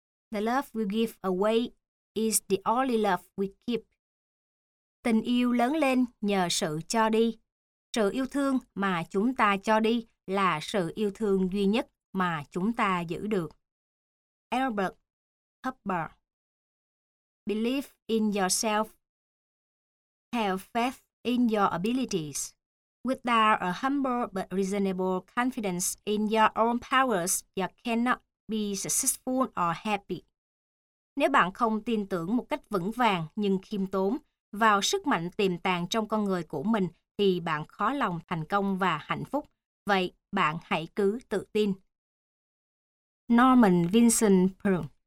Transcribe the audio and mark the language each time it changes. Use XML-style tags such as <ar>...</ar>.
<en>The love we give away is the only love we keep.</en> <vi>Tình yêu lớn lên nhờ sự cho đi. Sự yêu thương mà chúng ta cho đi là sự yêu thương duy nhất mà chúng ta giữ được.</vi> <en>Albert Hubbard. Believe in yourself. Have faith in your abilities. Without a humble but reasonable confidence in your own powers, you cannot be successful or happy.</en> <vi>Nếu bạn không tin tưởng một cách vững vàng nhưng khiêm tốn vào sức mạnh tiềm tàng trong con người của mình, thì bạn khó lòng thành công và hạnh phúc. Vậy bạn hãy cứ tự tin. Norman Vincent Peale.</vi>